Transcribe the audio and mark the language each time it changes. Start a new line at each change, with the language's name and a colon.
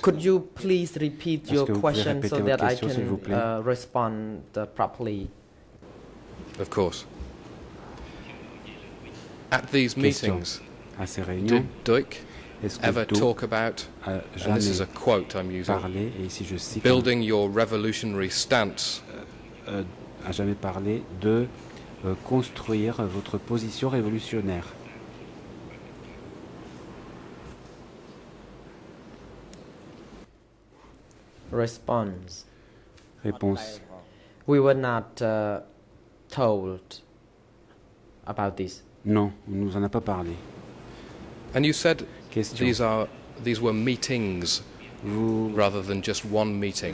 English: Could you please repeat your question so that I can respond properly? Of course. At these meetings,
French: à ces réunions,
English: Duc ever talk about, and this is a quote I'm using,
French: parlé, et ici je cite,
English: building your revolutionary stance.
French: A jamais parlé de construire votre position révolutionnaire.
English: Response.
French: Réponse.
English: We were not told about this.
French: Non, on ne nous en a pas parlé.
English: And you said these were meetings rather than just one meeting.